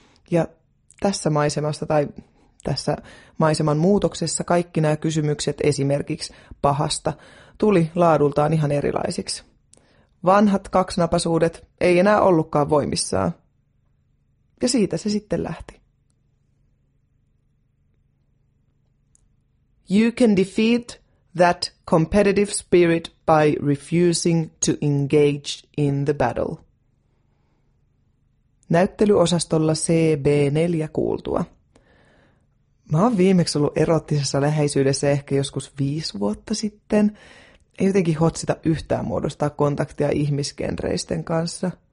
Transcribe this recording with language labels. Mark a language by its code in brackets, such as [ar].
[fi] Ja tässä maisemassa tai tässä maiseman muutoksessa kaikki nämä kysymykset esimerkiksi pahasta tuli laadultaan ihan erilaisiksi. Vanhat kaksinapaisuudet ei enää ollutkaan voimissaan. Ja siitä se sitten lähti. [en] You can defeat that competitive spirit by refusing to engage in the battle. [fi] Näyttelyosastolla CB4 kuultua. Mä oon viimeksi ollut erottisessa läheisyydessä ehkä joskus 5 vuotta sitten. Ei jotenkin hotsita yhtään muodostaa kontaktia ihmisgenreisten kanssa.